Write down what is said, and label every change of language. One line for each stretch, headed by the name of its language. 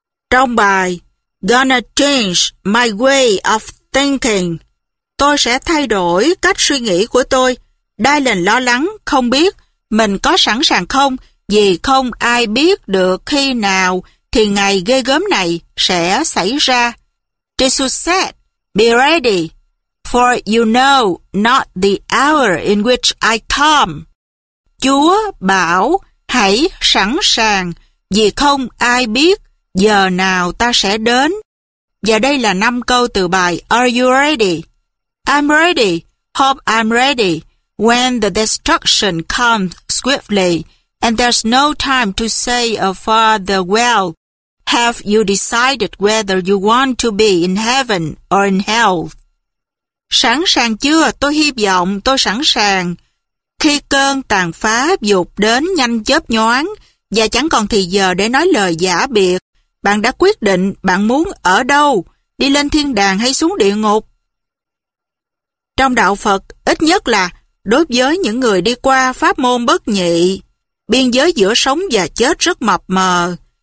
Vietnamese: Trong bài Gonna Change My Way of Thinking, tôi sẽ thay đổi cách suy nghĩ của tôi, Darling lo lắng không biết mình có sẵn sàng không, vì không ai biết được khi nào thì ngày ghê gớm này sẽ xảy ra.
English: Jesus said, be ready, for you know not the hour in which I come.
Vietnamese: Chúa bảo, hãy sẵn sàng, vì không ai biết giờ nào ta sẽ đến. Và đây là 5 câu từ bài Are You Ready?
English: I'm ready, hope I'm ready, when the destruction comes swiftly, and there's no time to say a farewell. Have you decided whether you want to be in heaven or in hell?
Vietnamese: Sẵn sàng chưa? Tôi hy vọng tôi sẵn sàng. Khi cơn tàn phá dục đến nhanh chớp nhoáng và chẳng còn thì giờ để nói lời giả biệt, bạn đã quyết định bạn muốn ở đâu, đi lên thiên đàng hay xuống địa ngục? Trong đạo Phật, ít nhất là đối với những người đi qua pháp môn bất nhị, biên giới giữa sống và chết rất mập mờ.